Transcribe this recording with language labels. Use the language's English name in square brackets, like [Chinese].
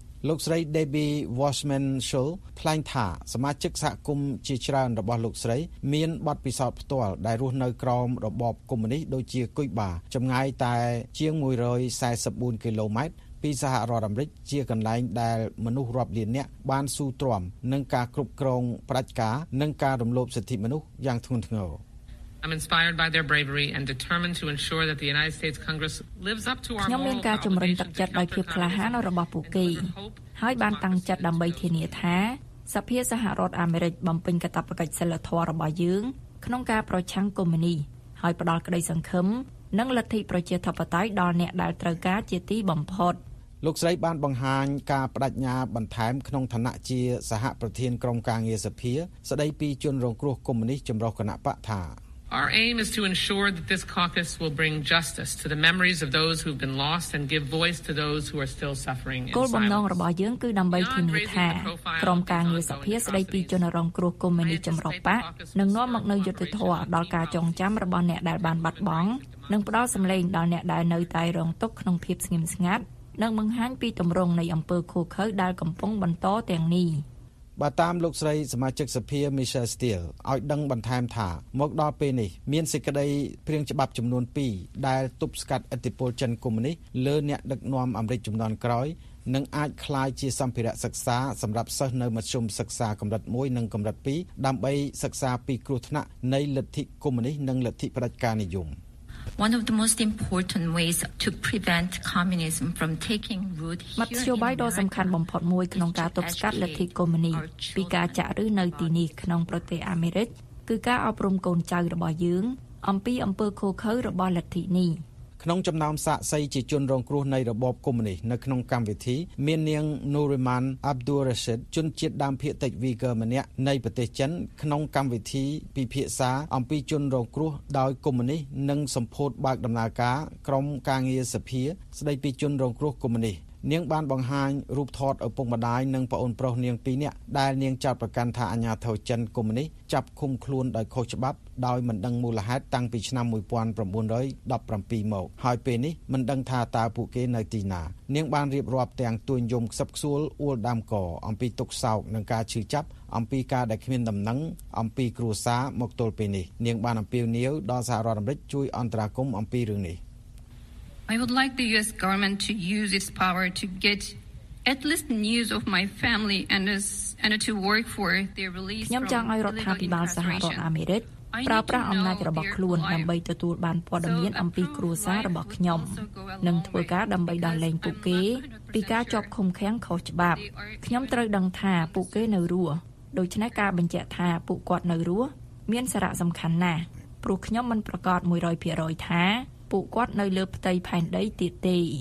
[Khmer] លោកស្រី Debbie Wasserman Schul ថ្លែងថាសមាជិកសហគមន៍ជាច្រើនរបស់លោកស្រីមានបទពិសោធន៍ផ្ទាល់ដែលរស់នៅក្រោមរបបកុម្មុយនីសដូចជាគុយបាចម្ងាយតែជាង144គីឡូម៉ែត្រ ពីសហរដ្ឋអាមេរិកជាកន្លែងដែលមនុស្សរាប់លាននាក់បានស៊ូទ្រាំនឹងការគ្រប់គ្រងផ្ដាច់ការនិងការរំលោភសិទ្ធិមនុស្សយ៉ាងធ្ងន់ធ្ងរ [English] I'm inspired by their bravery and determined to ensure that the United States Congress lives up to our [Khmer] ខ្ញុំមានការជំរុញទឹកចិត្តដោយភាពក្លាហានរបស់ពួកគេហើយបានតាំងចិត្តដើម្បីធានាថាសភាសហរដ្ឋអាមេរិកបំពេញកាតព្វកិច្ចសិលធម៌របស់យើងក្នុងការប្រឆាំងកុម្មុយនីហើយផ្ដល់ក្តីសង្ឃឹមនិងលទ្ធិប្រជាធិបតេយ្យដល់អ្នកដែលត្រូវការជាទីបំផុត លោកស្រីបានបង្ហាញការបដិញ្ញាបន្ថែមក្នុងឋានៈជាសហប្រធានក្រុមការងារសភាស្ដីពីជនរងគ្រោះកុម្មុយនីចម្រុះគណៈបកថា [English] Our aim is to ensure that this caucus will bring justice to the memories of those who have been lost and give voice to those who are still suffering in [Khmer] គោលបំណងរបស់យើងគឺដើម្បីធានាថាក្រុមការងារសភាស្ដីពីជនរងគ្រោះកុម្មុយនីចម្រុះបកនឹងនាំមកនូវយុត្តិធម៌ដល់ការចងចាំរបស់អ្នកដែលបានបាត់បង់នឹងផ្ដល់សម្លេងដល់អ្នកដែលនៅតែរងទុក្ខក្នុងភាពស្ងៀមស្ងាត់និងបង្ហាញពីទម្រង់នៃអំពើឃោរឃៅដែលកំពុងបន្តទាំងនេះ បើតាមលោកស្រីសមាជិកសភា Michelle Steele ឲ្យដឹងបន្ថែមថាមកដល់ពេលនេះមានសេចក្តីព្រាងច្បាប់ចំនួន2ដែលទប់ស្កាត់ឥទ្ធិពលចិនកុម្មុយនីសលើអ្នកដឹកនាំអាមេរិកជំនាន់ក្រោយនឹងអាចក្លាយជាសម្ភារៈសិក្សាសម្រាប់សិស្សនៅមធ្យមសិក្សាកម្រិត1និងកម្រិត2ដើម្បីសិក្សាពីគ្រោះថ្នាក់នៃលទ្ធិកុម្មុយនីសនិងលទ្ធិផ្ដាច់ការនិយម [English] One of the most important ways to prevent communism from taking root here. [Khmer] មតិយោបាយដ៏សំខាន់បំផុតមួយក្នុងការទប់ស្កាត់លទ្ធិកុម្មុយនីសពីការចាក់ឫសនៅទីនេះក្នុងប្រទេសអាមេរិកគឺការអប់រំកូនចៅរបស់យើងអំពីអំពើឃោរឃៅរបស់លទ្ធិនេះ ក្នុងចំណោមសាកសីជាជនរងគ្រោះនៃរបបកុម្មុយនីសនៅក្នុងកម្មវិធីមាននាងនូរីម៉ាន់អាប់ឌូរ៉ាស៊ីតជនជាតិដើមភាគតិចវីហ្គ័រម្នាក់នៃប្រទេសចិនក្នុងកម្មវិធីពិភាក្សាអំពីជនរងគ្រោះដោយកុម្មុយនីសនិងសម្ពោធបើកដំណើរការក្រុមការងារសភាស្ដីពីជនរងគ្រោះកុម្មុយនីសនាងបានបង្ហាញរូបថតឪពុកម្ដាយនិងប្អូនប្រុសនាងពីរនាក់ដែលនាងចាត់ប្រកាន់ថាអាញាធរចិនកុម្មុយនីសចាប់ឃុំខ្លួនដោយខុសច្បាប់ដោយមិនដឹងមូលហេតុតាំងពីឆ្នាំ1917ម កហើយពេលនេះមិនដឹងថាតើពួកគេនៅទីណានាងបានរៀបរាប់ទាំងទួញយំខ្សឹបខ្សួលអួលដើមកអំពីទុក្ខសោកនិងការឈឺចាប់អំពីការដែលគ្មានដំណឹងអំពីគ្រួសារមកទល់ពេលនេះនាងបានអំពាវនាវដល់សហរដ្ឋអាមេរិកជួយអន្តរាគមន៍អំពីរឿងនេះ [English] I would like the US government to use its power to get at least news of my family and to work for their release from [Khmer] ខ្ញុំចង់ឲ្យរដ្ឋាភិបាលសហរដ្ឋអាមេរិកប្រើប្រាស់អំណាចរបស់ខ្លួនដើម្បីទទួលបានព័ត៌មានអំពីគ្រួសាររបស់ខ្ញុំនិងធ្វើការដើម្បីដោះលែងពួកគេពីការជាប់ឃុំឃាំងខុសច្បាប់ខ្ញុំត្រូវដឹងថាពួកគេនៅរស់ដូច្នេះការបញ្ជាក់ថាពួកគាត់នៅរស់មានសារៈសំខាន់ណាស់ព្រោះខ្ញុំមិនប្រកាស 100% ថាពួកគាត់នៅលើផ្ទៃផែនដីទៀតទេ